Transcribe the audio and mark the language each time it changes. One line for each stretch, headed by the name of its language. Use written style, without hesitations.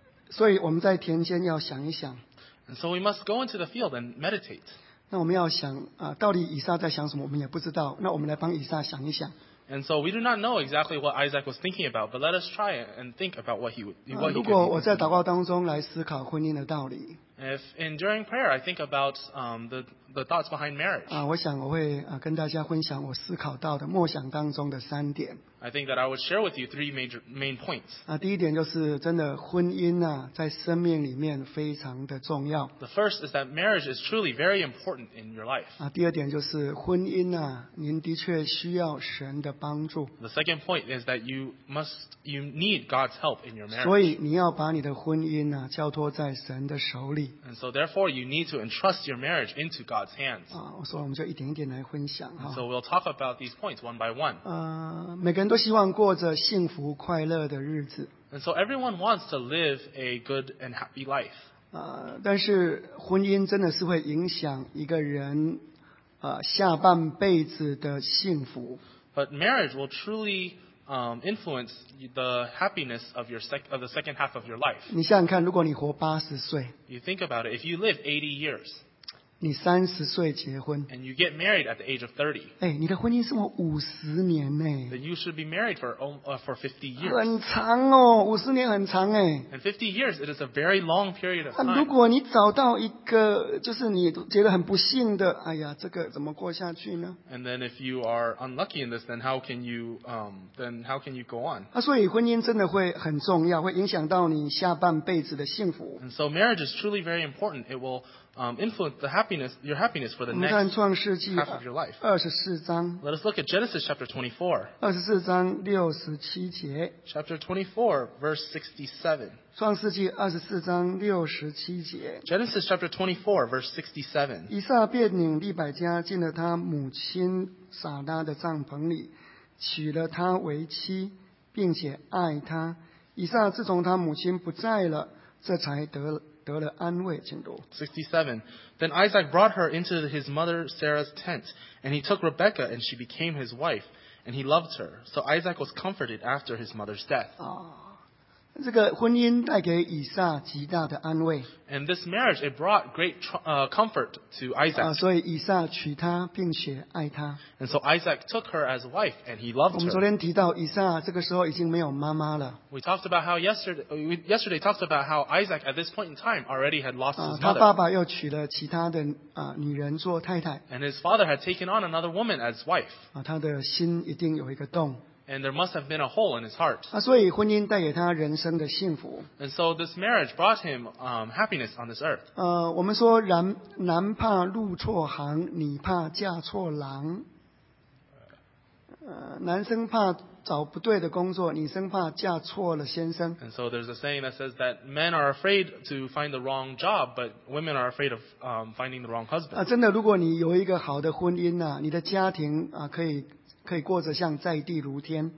Chinese: 所以我们在田间要想一想。
English: And so we must go into the field and meditate.
Chinese: 那我们要想到底以撒在想什么我们也不知道。那我们来帮以撒想一想。
English: And so we do not know exactly what Isaac was thinking about, but let us try and think about what he could
Chinese: think. 如果我在祷告当中来思考婚姻的道理。
English: If in during prayer I think about the the thoughts behind marriage.
Chinese: 我想我会跟大家分享我思考到的默想当中的三点。
English: I think that I would share with you three main points.
Chinese: 第一点就是真的婚姻在生命里面非常的重要。
English: The first is that marriage is truly very important in your life.
Chinese: 第二点就是婚姻您的确需要神的帮助。
English: The second point is that you need God's help in your marriage.
Chinese: 所以你要把你的婚姻交托在神的手里。
English: And so therefore you need to entrust your marriage into God's hands.
Chinese: 所以我们就一点一点来分享。
English: So we'll talk about these points one by one.
Chinese: 人都希望过着幸福快乐的日子。
English: And so everyone wants to live a good and happy life.
Chinese: 但是婚姻真的是会影响一个人下半辈子的幸福。
English: But marriage will truly influence the happiness of the second half of your life.
Chinese: 你想想看，如果你活八十岁。
English: You think about it, if you live 80 years.
Chinese: 你三十岁结婚
English: ，and you get married at the age of 30.
Chinese: 你的婚姻是我五十年呢。
English: Then you should be married for 50 years.
Chinese: 很长哦，五十年很长哎。
English: And 50 years, it is a very long period of time.
Chinese: 如果你找到一个，就是你觉得很不幸的，哎呀，这个怎么过下去呢
English: ？And then if you are unlucky in this, then how can you go on?
Chinese: 所以婚姻真的会很重要，会影响到你下半辈子的幸福。
English: And so marriage is truly very important. It will influence the happiness, your happiness for the next half of your life.
Chinese: 24章
English: Let us look at Genesis chapter 24.
Chinese: 24章67节
English: Chapter 24, verse 67.
Chinese: 创世纪24章67节
English: Genesis chapter 24, verse 67.
Chinese: 以撒便领利百加进了他母亲撒拉的帐篷里，娶了她为妻，并且爱她。以撒自从他母亲不在了，这才得了安慰。 67.
English: Then Isaac brought her into his mother Sarah's tent, and he took Rebekah, and she became his wife, and he loved her. So Isaac was comforted after his mother's death.
Chinese: 这个婚姻带给以撒极大的安慰。
English: And this marriage, it brought great comfort to Isaac.
Chinese: 所以以撒娶她并且爱她。
English: And so Isaac took her as wife, and he loved her.
Chinese: 我们昨天提到以撒这个时候已经没有妈妈了。
English: We talked about how yesterday talked about how Isaac at this point in time already had lost his mother.
Chinese: 他爸爸又娶了其他的女人做太太。
English: And his father had taken on another woman as wife.
Chinese: 他的心一定有一个洞。
English: And there must have been a hole in his heart.
Chinese: 所以婚姻带给他人生的幸福。
English: And so this marriage brought him happiness on this earth.
Chinese: 我们说男怕入错行，女怕嫁错郎。男生怕找不对的工作，女生怕嫁错了先生。
English: And so there's a saying that says that men are afraid to find the wrong job, but women are afraid of finding the wrong husband.
Chinese: 真的，如果你有一个好的婚姻你的家庭可以过着像在地如天。